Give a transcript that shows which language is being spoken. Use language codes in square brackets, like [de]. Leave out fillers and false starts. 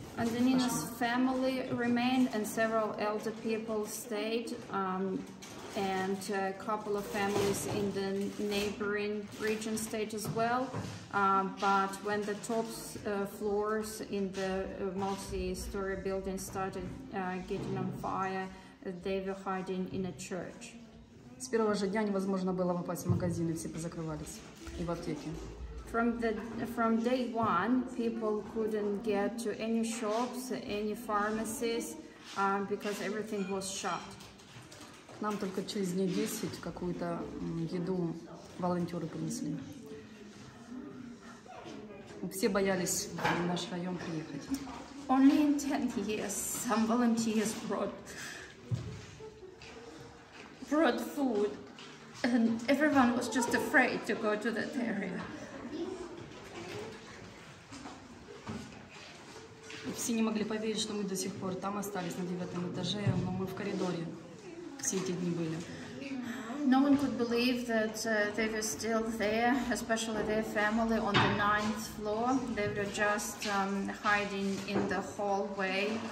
[en] Antonina's family remained, and several elder people stayed, and a couple of families in the neighboring region stayed as well. But when the top floors in the multi-story building started getting on fire, they were hiding in a church. [ru] С первого же дня невозможно было попасть в магазины, все позакрывались и в аптеке. [en] From day one, people couldn't get to any shops, any pharmacies, because everything was shut. [ru] К нам только через дней 10 какую-то еду волонтеры принесли. Все боялись в наш район приехать. [en] Only in 10 years some volunteers brought food, and everyone was just afraid to go to that area. [ru] Все не могли поверить, что мы до сих пор там остались на 9 этаже, но мы в коридоре все эти дни были. [en] No one could believe that they were still there, especially their family on the 9th floor. They were just hiding in the hallway